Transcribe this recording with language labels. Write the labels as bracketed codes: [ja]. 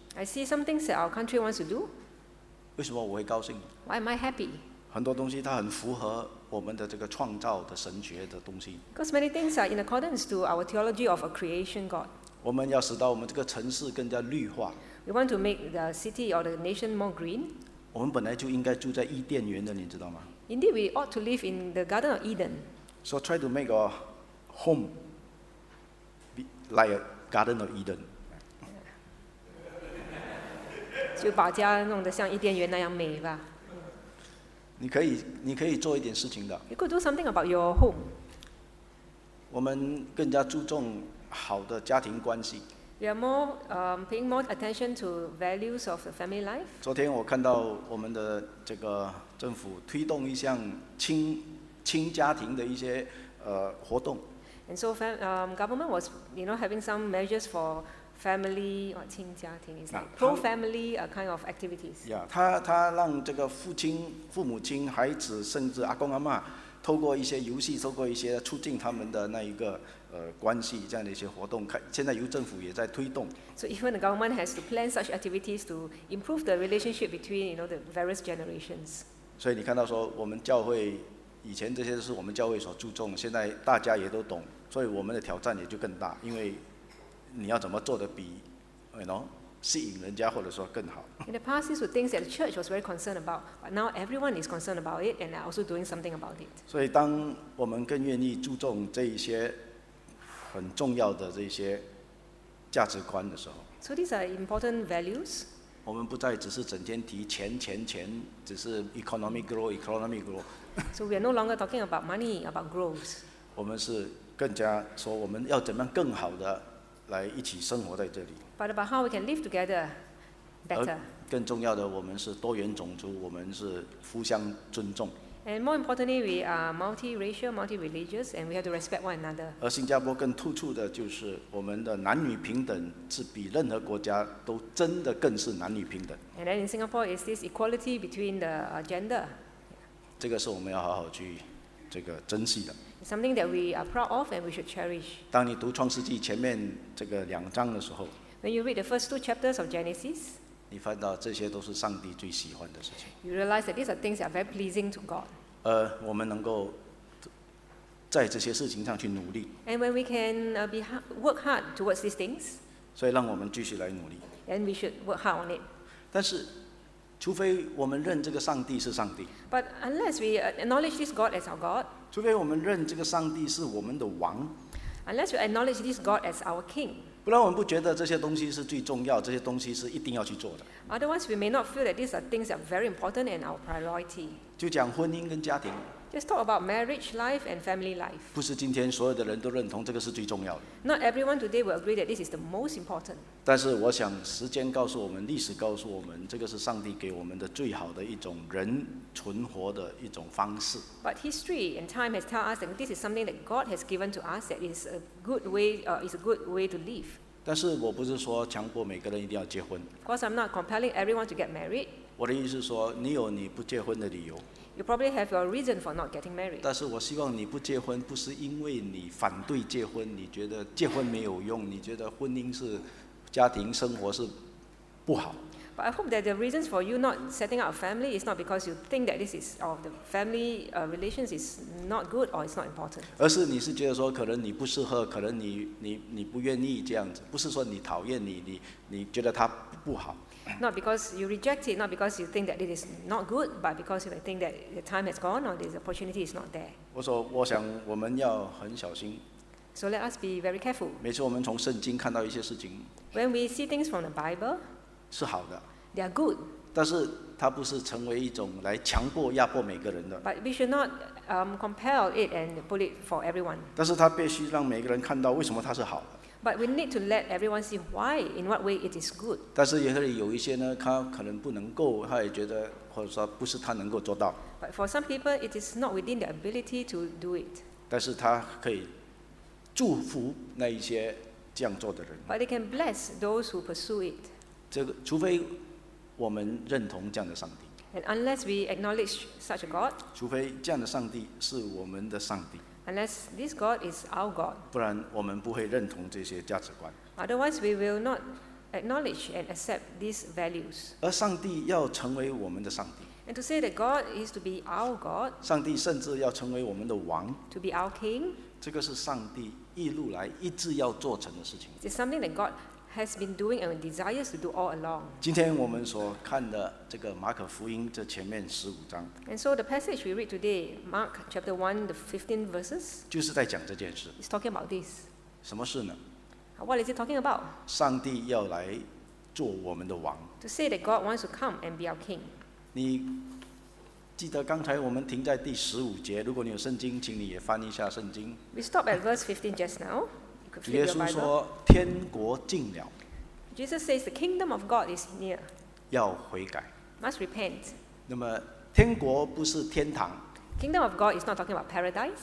[en] I see some things that our country wants to do. [zh] 为什么我会高兴？ [en] Why am I happy? [zh] 很多东西它很符合我们的这个创造的神学的东西。 [en] Because many things are in accordance to our theology of a creation God. [zh] 我们要使到我们这个城市更加绿化。 [en] We want to make the city or the nation more green. [zh] 我们本来就应该住在伊甸园的，你知道吗 [en] ？Indeed, we ought to live in the Garden of Eden. So try to make our home be like a Garden of Eden. [zh] 就把家弄得像伊甸园那样美吧。你可以做一点事情的。 [en] You could do something about your home. [zh] 我们更加注重好的家庭关系。 [en] We are more paying more attention to values of the family life. [zh] 昨天我看到我们的这个政府推动一项亲家庭的一些活动。 [en] And so, government was, you know, having some measures for family or [zh] 亲家庭 [en] is like pro-family kind of activities. [zh] Yeah, 他让这个父亲、父母亲、孩子，甚至阿公阿嬷，透过一些游戏，透过一些促进他们的那一个。关系这样的一些活动，现在由政府也在推动。 [en] So even the government has to plan such activities to improve the relationship between, you know, the various generations. [zh] 所以你看到说，我们教会以前这些是我们教会所注重，现在大家也都懂，所以我们的挑战也就更大，因为你要怎么做得比 ， [en] you know, [zh] 吸引人家或者说更好。 [en] In the past, these were things that the church was very concerned about, but now everyone is concerned about it and also doing something about it. [zh] 所以当我们更愿意注重这一些。很重要的这些价值观的时候， [en] so these are important values. [zh] 我们不再只是整天提钱钱钱，只是 [en] economic growth. So we are no longer talking about money, about growth. [zh] 我们是更加说我们要怎么样更好的来一起生活在这里。 [en] But about how we can live together better. [zh] 更重要的，我们是多元种族，我们是互相尊重。 [en] And more importantly, we are multi-racial, multi-religious, and we have to respect one another. [zh] 而新加坡更突出的就是我们的男女平等是比任何国家都真的更是男女平等。 [en] And then in Singapore, is this equality between the gender? [zh] 这个是我们要好好去这个珍惜的。 [en] Something that we are proud of and we should cherish. [zh] 当你读创世纪前面这个两章的时候 [en] ，When you read the first two chapters of Genesis. [zh] 你看到这些都是上帝最喜欢的事情。 [en] You realize that these are things that are very pleasing to God. [zh] 我们能够在这些事情上去努力。 [en] And when we can be work hard towards these things. [zh] 所以让我们继续来努力。 [en] And we should work hard on it. [zh] 但是，除非我们认这个上帝是上帝。 [en] But unless we acknowledge this God as our God. [zh] 除非我们认这个上帝是我们的王。 [en] Unless we acknowledge this God as our King. [zh] 不然我们不觉得这些东西是最重要，这些东西是一定要去做的。 [en] Otherwise, we may not feel that these are things that are very important and our priority. [zh] 就讲婚姻跟家庭。 [en] Just talk about marriage life and family life. [zh] 不是今天所有的人都认同这个是最重要的。 [en] Not everyone today will agree that this is the most important. [zh] 但是我想时间告诉我们，历史告诉我们，这个是上帝给我们的最好的一种人存活的一种方式。 [en] But history and time has taught us that this is something that God has given to us that is a good way, is a good way to live. [zh] 但是我不是说强迫每个人一定要结婚。 [en] Of course, I'm not compelling everyone to get married. [zh] 我的意思是说，你有你不结婚的理由。 [en] You probably have your reason for not getting married. [zh] 但是我希望你不结婚，不是因为你反对结婚，你觉得结婚没有用，你觉得婚姻是家庭生活是不好。 [en] But I hope that the reasons for you not setting up a family is not because you think that this is of the family relations is not good or it's not important. [zh] 而是你是觉得说可能你不适合，可能你不愿意这样子，不是说你讨厌你觉得它不好。 [en] Not because you reject it, not because you think that it is not good, but because you think that the time has gone or this opportunity is not there. [zh] 我说，我想我们要很小心。 [en] So let us be very careful. [zh] 每次我们从圣经看到一些事情。 [en] When we see things from the Bible, [zh] 是好的。 [en] They are good. [zh] 但是它不是成为一种来强迫压迫每个人的。 [en] But we should not compel it and put it for everyone. [zh] 但是它必须让每个人看到为什么它是好的。 [en] But we need to let everyone see why, in what way it is good. [zh] 但是也可以有一些呢，他可能不能够，他也觉得或者说不是他能够做到。 [en] But for some people, it is not within their ability to do it. [zh] 但是他可以祝福那一些这样做的人。 [en] But they can bless those who pursue it. [zh] 这个除非我们认同这样的上帝。 [en] And unless we acknowledge such a God. [zh] 除非这样的上帝是我们的上帝。 [en] Unless this God is our God. [zh] 不然我们不会认同这些价值观。 [en] Otherwise, we will not acknowledge and accept these values. [zh] 而上帝要成为我们的上帝。 [en] And to say that God is to be our God. [zh] 上帝甚至要成为我们的王。 [en] To be our King. [zh] 这个是上帝一路来一直要做成的事情。 [en] It's something that God has been doing and desires to do all along. [zh] 今天我们所看的这个马可福音这前面十五章。 [en] And so the passage we read today, Mark chapter 1, the 15 verses, [zh] 就是在讲这件事。 [en] It's talking about this. [zh] 什么事呢？ [en] What is it talking about? [zh] 上帝要来做我们的王。 [en] To say that God wants to come and be our king. [zh] 你记得刚才我们停在第十五节，如果你有圣经，请你也翻一下圣经。 [en] We stopped at verse 15 just now. [zh] 耶稣说：“天国近了。” [en] Jesus says, "The kingdom of God is near." [zh] 要悔改。 [en] Must repent. [zh] 那么，天国不是天堂。 [en] Kingdom of God is not talking about paradise.